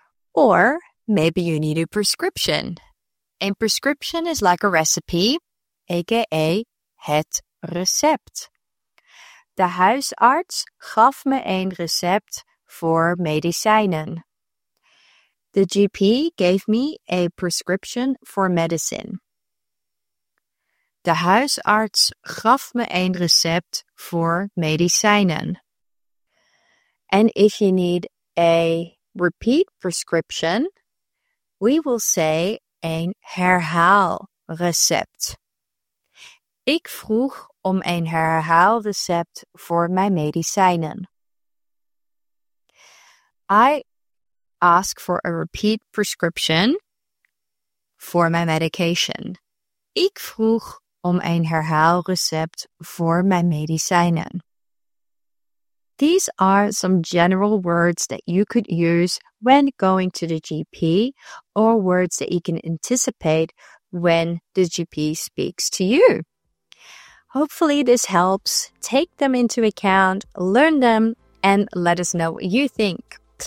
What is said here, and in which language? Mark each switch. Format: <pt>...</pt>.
<en>Or maybe you need a prescription. A prescription is like a recipe, aka het recept.</en> <nl>De huisarts gaf me een recept voor medicijnen.</nl> <en>The GP gave me a prescription for medicine.</en> <nl>De huisarts gaf me een recept voor medicijnen.</nl> <en>And if you need a repeat prescription, we will say een herhaalrecept.</en> <nl>Ik vroeg om een herhaalrecept voor mijn medicijnen.</nl> <en>I ask for a repeat prescription for my medication.</en> <nl>Ik vroeg om een herhaalrecept voor mijn medicijnen.</nl> <en>These are some general words that you could use when going to the GP, or words that you can anticipate when the GP speaks to you. Hopefully this helps. Take them into account, learn them, and let us know what you think.</en>